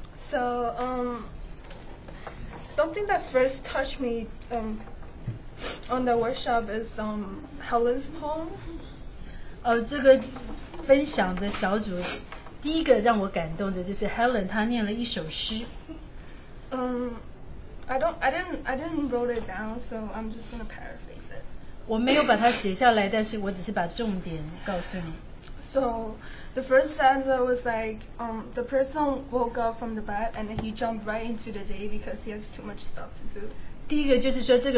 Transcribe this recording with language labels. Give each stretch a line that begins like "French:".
English: Something that first touched me on the workshop is Helen's poem.
Chinese: 这个分享的小组第一个让我感动的就是 Helen，她念了一首诗。
English: I didn't write it down, so I'm just gonna paraphrase it.
Chinese: 我没有把它写下来，但是我只是把重点告诉你。
English: So the first stanza was like, the person woke up from the bed and then he jumped right into the day because he has too much stuff to do.